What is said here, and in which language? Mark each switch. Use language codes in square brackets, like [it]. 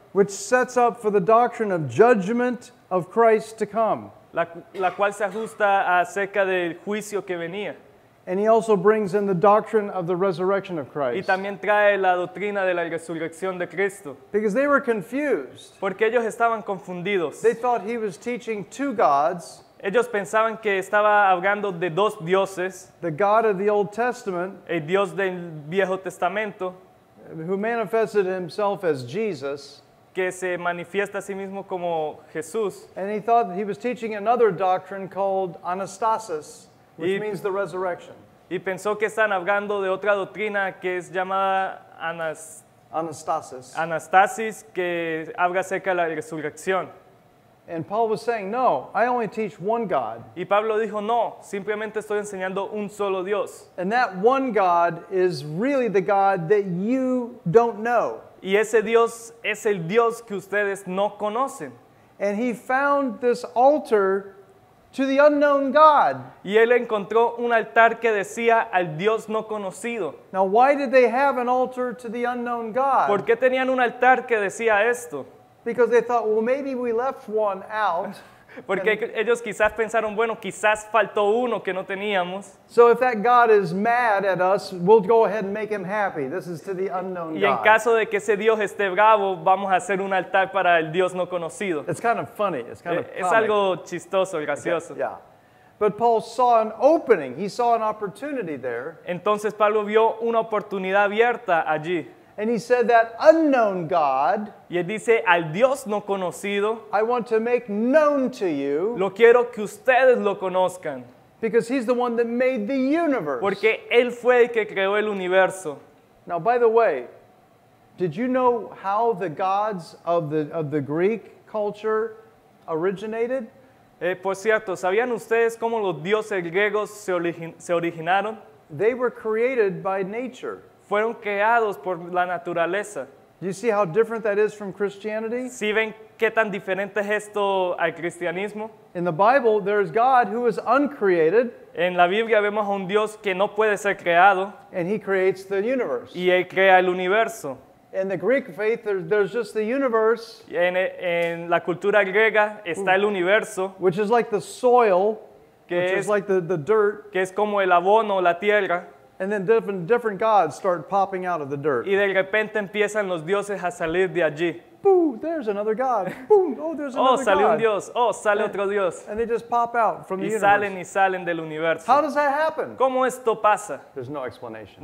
[en] Which sets up for the doctrine of judgment of Christ to come. [es] La cual se ajusta acerca del juicio que venía. [en] And he also brings in the doctrine of the resurrection of Christ. [es] Y también trae la doctrina de la resurrección de Cristo. [en] Because they were confused. [es] Porque ellos estaban confundidos. [en] They thought he was teaching two gods. [es] Ellos pensaban que estaba hablando de dos dioses. [en] The God of the Old Testament. [es] El Dios del Viejo Testamento. [en] Who manifested himself as Jesus. [es] Que se manifiesta a sí mismo como Jesús. [en] And he thought that he was teaching another doctrine called Anastasis, which means the resurrection. [es] Y pensó que están hablando de otra doctrina que es llamada Anastasis. Anastasis, que habla acerca de la resurrección. [en] And Paul was saying, no, I only teach one God. [es] Y Pablo dijo, no, simplemente estoy enseñando un solo Dios. [en] And that one God is really the God that you don't know. [es] Y ese Dios es el Dios que ustedes no conocen. [en] And he found this altar to the unknown God. [es] Y él encontró un altar que decía al Dios no conocido. [en] Now, why did they have an altar to the unknown God? [es] ¿Por qué tenían un altar que decía esto? [en] Because they thought, well, maybe we left one out. [es] Porque ellos quizás pensaron, bueno, quizás faltó uno que no teníamos. [en] So if that God is mad at us, we'll go ahead and make him happy. This is to the unknown God. [es] Y en caso de que ese Dios esté bravo, vamos a hacer un altar para el Dios no conocido. [en] It's kind of funny. It's kind of funny. [es] Es algo chistoso, gracioso. [en] Okay. Yeah. But Paul saw an opening. He saw an opportunity there. [es] Entonces Pablo vio una oportunidad abierta allí. [en] And he said that unknown God, [es] y él dice, al Dios no conocido, [en] I want to make known to you, [es] lo quiero que ustedes lo conozcan, [en] because he's the one that made the universe. [es] Porque él fue el que creó el universo. [en] Now, by the way, did you know how the gods of the Greek culture originated? [es] Por cierto, ¿sabían ustedes cómo los dioses griegos se originaron? [en] They were created by nature. [es] Fueron creados por la naturaleza. [en] You see how different that is from Christianity? [es] ¿Sí ven qué tan diferente es esto al cristianismo? [en] In the Bible, there is God who is uncreated. [es] En la Biblia vemos a un Dios que no puede ser creado. [en] And he creates the universe. [es] Y él crea el universo. [en] In the Greek faith, there's just the universe. [es] En la cultura griega está el universo. [en] Which is like the soil, which is like the dirt. [es] Que es como el abono, la tierra. [en] And then different gods start popping out of the dirt. [es] Y de repente empiezan los dioses a salir de allí. [en] Boom, there's another god. Boom, oh, there's another god. [es] Oh, sale un dios. Oh, sale otro dios. [en] And they just pop out from the [es] universe. Y salen y salen del universo. [en] How does that happen? [es] ¿Cómo esto pasa? [en] There's no explanation.